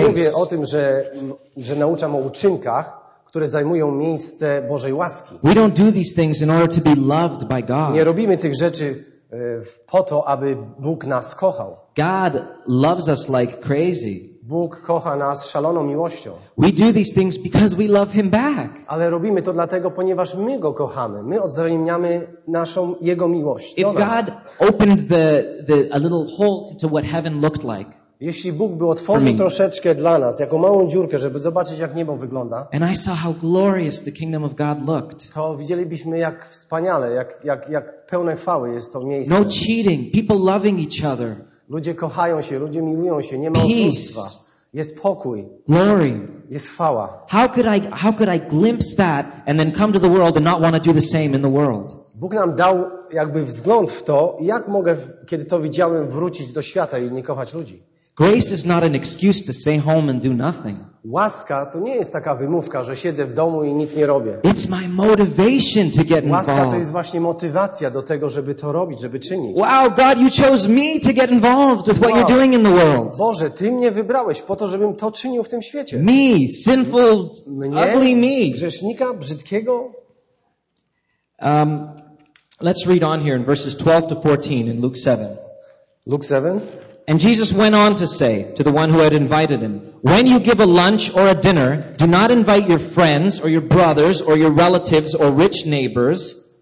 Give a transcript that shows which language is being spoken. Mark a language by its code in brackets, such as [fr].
[pl] Nie mówię o tym, że nauczam o uczynkach, które zajmują miejsce Bożej łaski. [en] We don't do these things in order to be loved by God. [pl] Nie robimy tych rzeczy po to, aby Bóg nas kochał. [en] God loves us like crazy. [pl] Bóg kocha nas szaloną miłością. [en] We do these things because we love him back. [pl] Ale robimy to dlatego, ponieważ my go kochamy. My odwzajemniamy naszą jego miłość. [en] If God opened a little hole into what heaven looked like. [pl] Jeśli Bóg by otworzył troszeczkę dla nas, jako małą dziurkę, żeby zobaczyć, jak niebo wygląda, [en] and I saw how glorious the kingdom of God looked. [pl] To widzielibyśmy, jak wspaniale, jak pełne chwały jest to miejsce. [en] No cheating, people loving each other. [pl] Ludzie kochają się, ludzie miłują się, nie ma oszustwa. Jest pokój. [en] Glory. [pl] Jest chwała. [en] How could I glimpse that and then come to the world and not want to do the same in the world? [pl] Bóg nam dał jakby wzgląd w to, jak mogę, kiedy to widziałem, wrócić do świata i nie kochać ludzi. [en] Grace is not an excuse to stay home and do nothing. [pl] Łaska to nie jest taka wymówka, że siedzę w domu i nic nie robię. [en] It's my motivation to get involved. [pl] Łaska to jest właśnie motywacja do tego, żeby to robić, żeby czynić. [en] Wow, God, you chose me to get involved with what you're doing in the world. [pl] Boże, ty mnie wybrałeś po to, żebym to czynił w tym świecie. [en] Me, sinful, [pl] mnie, [en] ugly me. [pl] Grzesznika, brzydkiego. [en] Let's read on here in verses 12 to 14 in Luke 7. Luke 7. And Jesus went on to say to the one who had invited him, when you give a lunch or a dinner, do not invite your friends or your brothers or your relatives or rich neighbors,